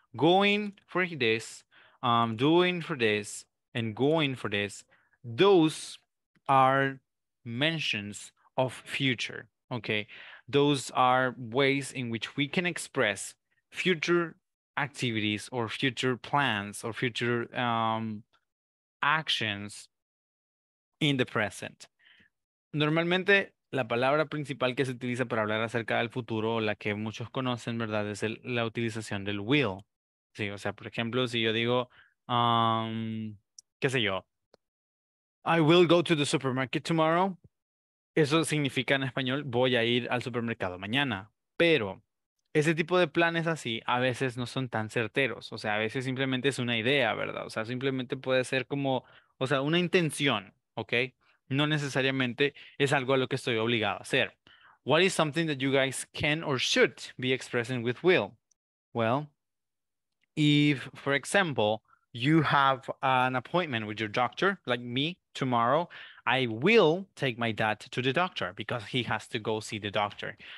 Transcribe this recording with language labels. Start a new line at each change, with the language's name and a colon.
English: Going for this, doing for this, and going for this, those are mentions of future, okay? Those are ways in which we can express future activities or future plans or future actions in the present.
Spanish: Normalmente, la palabra principal que se utiliza para hablar acerca del futuro, la que muchos conocen, ¿verdad?, es la utilización del will. Sí, o sea, por ejemplo, si yo digo, qué sé yo,
English: I will go to the supermarket tomorrow.
Spanish: Eso significa en español, voy a ir al supermercado mañana. Pero ese tipo de planes así a veces no son tan certeros. O sea, a veces simplemente es una idea, ¿verdad? O sea, simplemente puede ser como, o sea, una intención, ¿ok? No necesariamente es algo a lo que estoy obligado a hacer.
English: What is something that you guys can or should be expressing with will? Well, if, for example, you have an appointment with your doctor, like me, tomorrow, I will take my dad to the doctor because he has to go see the doctor.